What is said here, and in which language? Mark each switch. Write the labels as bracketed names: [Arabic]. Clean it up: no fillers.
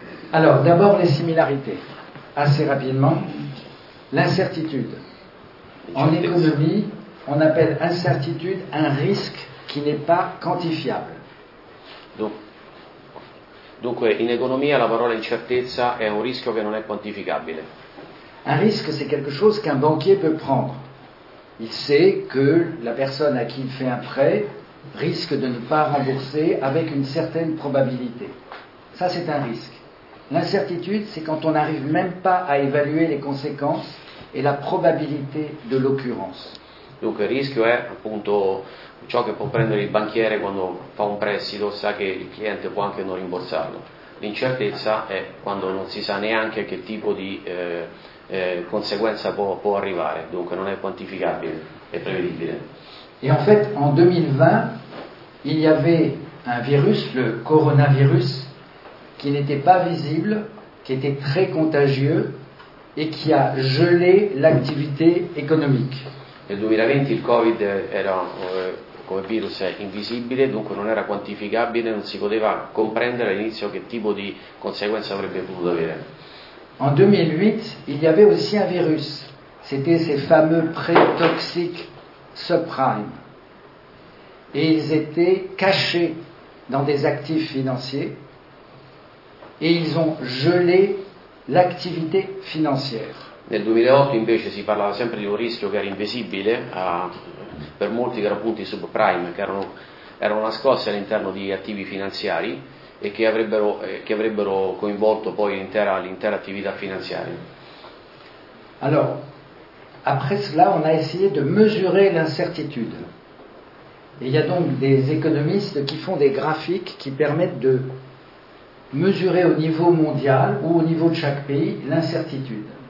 [Italian] Allora, [French] d'abord les similarités, assez rapidement, l'incertitude. En économie, on appelle incertitude un risque qui n'est pas quantifiable. [Italian] Dunque, in economia la parola incertezza è un rischio che non è quantificabile. [French] Un risque, c'est quelque chose qu'un banquier peut prendre. Il sait que la personne à qui il fait un prêt risque de ne pas rembourser avec une certaine probabilité. Ça, c'est un risque. L'incertitude, c'est quand on n'arrive même pas à évaluer les conséquences et la probabilité de l'occurrence. Donc le risque est, [Italian] appunto, ciò che può prendere il banchiere quando fa un prestito, sa che il cliente può anche non rimborsarlo. L'incertezza è quando non si sa neanche che tipo di conseguenza può arrivare, dunque non è quantificabile, è prevedibile. [French] Et en fait, en 2020, il y avait un virus, le coronavirus, qui n'était pas visible, qui était très contagieux et qui a gelé l'activité économique. [Italian] Nel 2020 il Covid era come virus invisibile, dunque non era quantificabile, non si poteva comprendere all'inizio che tipo di conseguenza avrebbe potuto avere. [French] En 2008, il y avait aussi un virus. C'était ces fameux prêts toxiques subprime. Et ils étaient cachés dans des actifs financiers. Et ils ont gelé l'activité financière. [Italian] Nel 2008 invece si parlava sempre di un rischio che era invisibile per molti, che erano appunto i subprime, che erano nascosti all'interno di attivi finanziari e che avrebbero coinvolto poi l'intera attività finanziaria. [French] Alors, après cela, on a essayé de mesurer l'incertitude. Et il y a donc des économistes qui font des graphiques qui permettent de mesurer au niveau mondial ou au niveau de chaque pays l'incertitude.